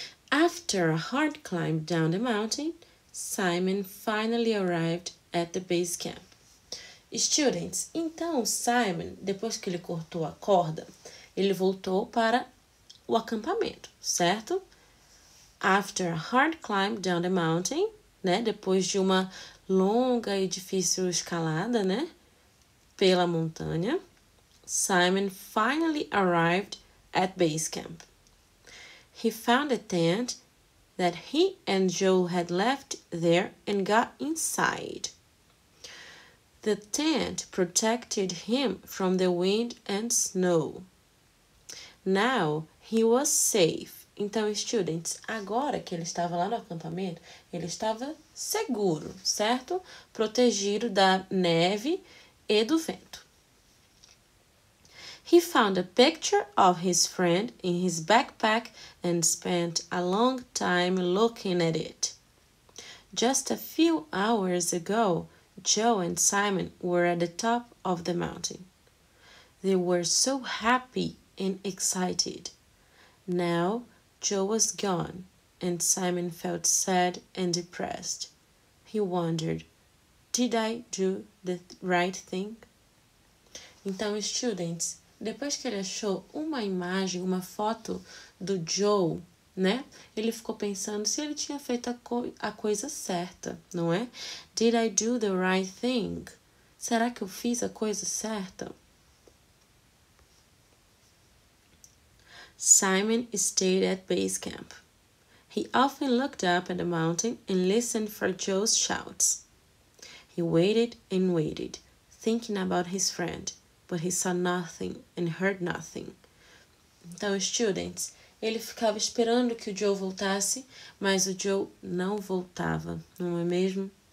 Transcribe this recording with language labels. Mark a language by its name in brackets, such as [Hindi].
[English] After a hard climb down the mountain, Simon finally arrived at the base camp. [Portuguese] Students, então Simon, depois que ele cortou a corda, ele voltou para o acampamento, certo? [English] After a hard climb down the mountain, né? [Portuguese] Depois de uma longa e difícil escalada, né? Pela montanha, [English] Simon finally arrived at base camp. He found a tent that he and Joe had left there and got inside. The tent protected him from the wind and snow. Now he was safe. [Portuguese] Então, students, agora que ele estava lá no acampamento, ele estava seguro, certo? Protegido da neve e do vento. [English] He found a picture of his friend in his backpack and spent a long time looking at it. Just a few hours ago, Joe and Simon were at the top of the mountain. They were so happy and excited. Now, Joe was gone, and Simon felt sad and depressed. He wondered, did I do the right thing? [Portuguese] Então, students, depois que ele achou uma imagem, uma foto do Joe, né? Ele ficou pensando se ele tinha feito a coisa certa, não é? [English] Did I do the right thing? [Portuguese] Será que eu fiz a coisa certa? [English] Simon stayed at base camp. He often looked up at the mountain and listened for Joe's shouts. He waited and waited, thinking about his friend. But he saw nothing and heard nothing. [Portuguese] Então, students, ele ficava esperando que o Joe voltasse, mas o Joe não voltava, não é mesmo?